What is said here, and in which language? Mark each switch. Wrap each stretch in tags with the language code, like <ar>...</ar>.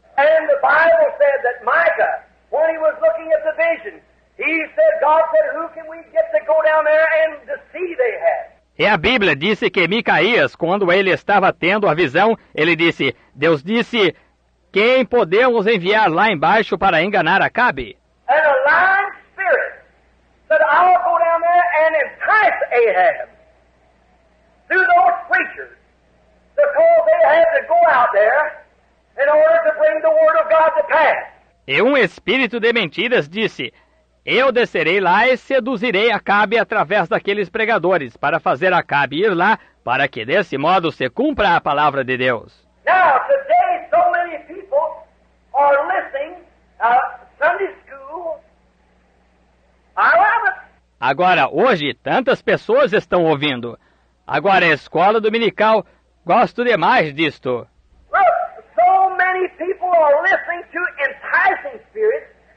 <pt>E a Bíblia diz que Micah, quando ele estava olhando para a visão, e a Bíblia disse que Micaías, quando ele estava tendo a visão, ele disse, Deus disse, quem podemos enviar lá embaixo para enganar Acabe?</pt> <en>And a lying spirit said, I'll go down there and entice Ahab through those preachers to call Ahab to go out there in order to bring the word of God to pass.</en> <pt>E um espírito de mentiras disse, eu descerei lá e seduzirei Acabe através daqueles pregadores para fazer Acabe ir lá para que desse modo se cumpra a palavra de Deus.</pt> <en>Now, today, so many people are listening to Sunday school.</en> <pt>Agora, hoje, tantas pessoas estão ouvindo. Agora, a escola dominical, gosto demais disto.</pt> <en>Look, so many people are listening to enticing spirits.</en>